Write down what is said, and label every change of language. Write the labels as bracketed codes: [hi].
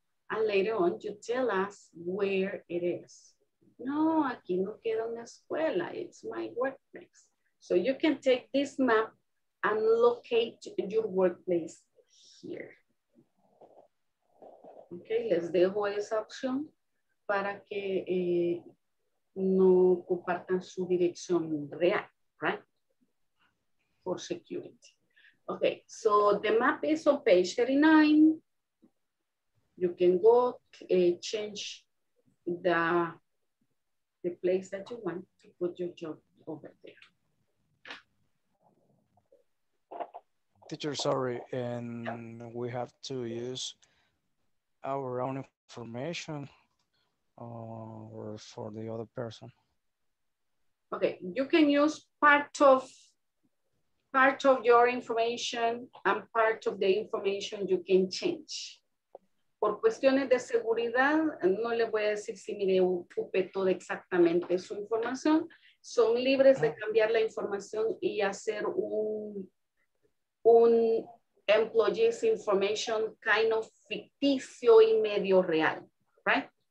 [en] And later on, you tell us where it is. [es] No, aquí no queda una escuela. [en] It's my workplace. So you can take this map and locate your workplace here. [es] Okay, les dejo esa opción para que no compartan su dirección real, right? [en] For security. Okay, so the map is on page 39. You can go change the place that you want to put your job over there. Teacher, sorry, and we have to use our own information or for the other person. Okay, you can use part of your information and part of the information you can change. [es] Por cuestiones de seguridad, no le voy a decir si me ocupe todo exactamente su información. Son libres de cambiar la información y hacer un [en] employee's information kind of [es] ficticio y medio real, right?